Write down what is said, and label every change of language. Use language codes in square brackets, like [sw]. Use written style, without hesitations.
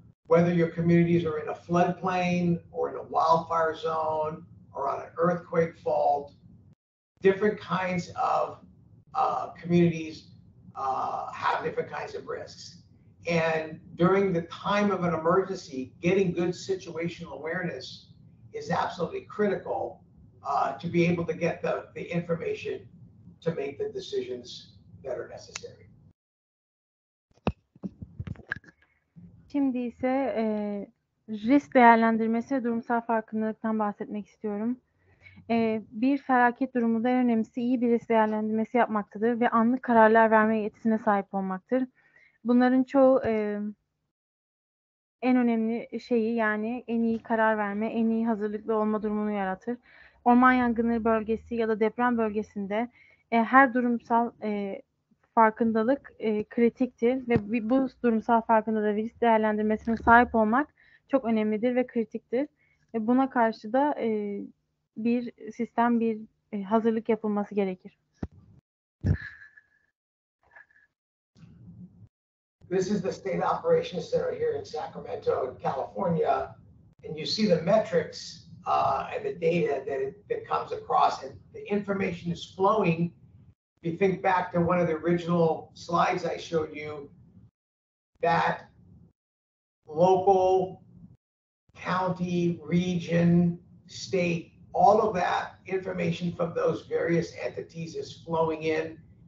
[en] Whether your communities are in a floodplain or in a wildfire zone or on an earthquake fault, different kinds of communities have different kinds of risks. And during the time of an emergency, getting good situational awareness is absolutely critical to be able to get the information to make the decisions that are necessary. [tr] Şimdi ise risk değerlendirmesi ve durumsal farkındalıktan bahsetmek istiyorum. Bir felaket durumunda en önemlisi iyi bir risk değerlendirmesi yapmaktadır ve anlık kararlar verme yetisine sahip olmaktır. Bunların çoğu en önemli şeyi yani en iyi karar verme, en iyi hazırlıklı olma durumunu yaratır. Orman yangınları bölgesi ya da deprem bölgesinde her durumsal farkındalık kritiktir ve bu durumsal farkındalık risk değerlendirmesine sahip olmak çok önemlidir ve kritiktir. Buna karşı da bir sistem, bir hazırlık yapılması gerekir. [en] This is the State Operations Center here in Sacramento, California, and you see the metrics and the data that comes across, and the information is flowing. If you think back to one of the original slides I showed you, that local, county, region, state, all of that information from those various entities is flowing in.